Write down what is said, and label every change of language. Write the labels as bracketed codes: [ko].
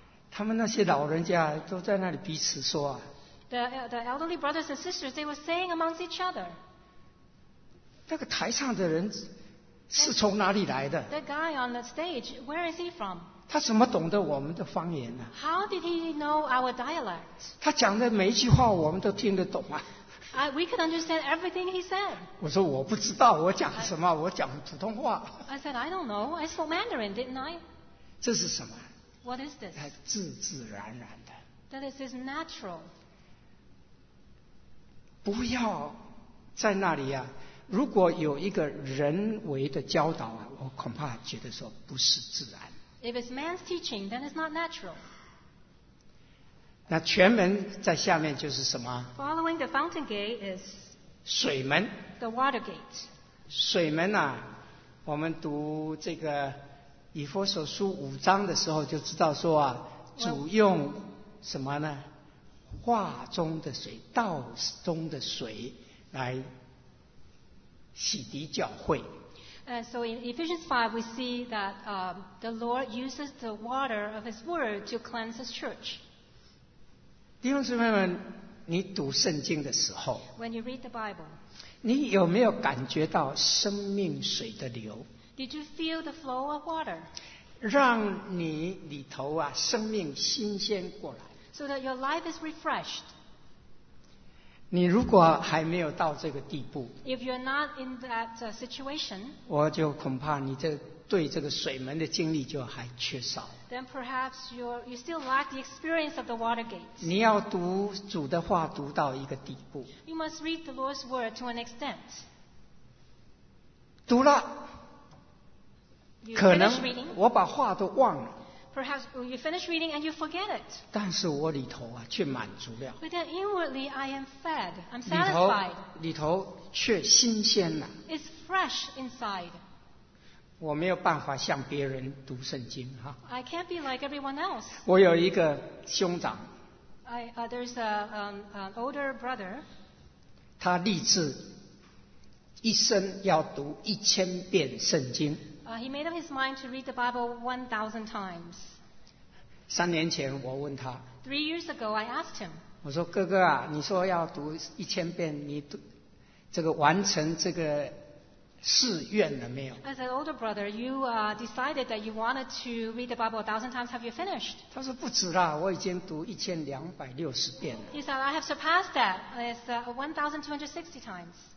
[zh] 他们那些老人家都在那里彼此说啊。 [en] The elderly brothers and sisters, they were saying amongst each other. [zh] 那个台上的人是从哪里来的？ [en] The guy on the stage, where is he from? [zh] 他怎么懂得我们的方言呢？ [en] How did he know our dialect? [zh] 他讲的每一句话我们都听得懂啊。 [en] We could understand everything he said. [zh] 我说我不知道我讲什么，我讲普通话。 [en] I said, I don't know. I spoke Mandarin, didn't I? [zh] 这是什么？ [en] What is this? [zh] 自自然然的。 [en] That is natural. [zh] 不要在那里啊，如果有一个人为的教导啊，我恐怕觉得说不是自然。 [en] If it's man's teaching, then it's not natural. [zh] 那全门在下面就是什么？ [en] Following the fountain gate is [zh] 水门。 [en] The water gate. [zh] 水门啊，我们读这个以弗所书五章的时候就知道说啊，主用什么呢？话中的水，道中的水来洗涤教会。 [en] And so in Ephesians 5, we see that the Lord uses the water of His Word to cleanse His church. [zh] 弟兄姊妹们，你读圣经的时候， [en] When you read the Bible, [zh] 你有没有感觉到生命水的流？ [en] Did you feel the flow of water? [zh] 让你里头啊，生命新鲜过来。 [en] So that your life is refreshed. [zh] 你如果还没有到这个地步， [en] If you're not in that situation, [zh] 我就恐怕你这对这个水门的经历就还缺少。 [en] Then perhaps you still lack the experience of the water gate. [zh] 你要读主的话读到一个地步。 [en] You must read the Lord's word to an extent. [zh] 读了， [en] you [zh] 可能我把话都忘了。 [en] Perhaps you finish reading and you forget it. [zh] 但是我里头啊却满足了。 [en] But then inwardly I am fed. I'm satisfied. [zh] 里头却新鲜了。 [en] It's fresh inside. [zh] 我没有办法像别人读圣经哈。 [en] I can't be like everyone else. [zh] 我有一个兄长。 [en] There's an older brother. [zh] 他立志一生要读一千遍圣经。 [en] He made up his mind to read the Bible 1,000 times. [zh] 三年前我问他。 [en] Three years ago, I asked him. [zh] 我说哥哥啊，你说要读一千遍，你读这个完成这个誓愿了没有？ [en] I said, older brother, you decided that you wanted to read the Bible 1,000 times. Have you finished? [zh] 他说不止啦，我已经读1260遍了。 [en] He said, I have surpassed that. It's 1,260 times.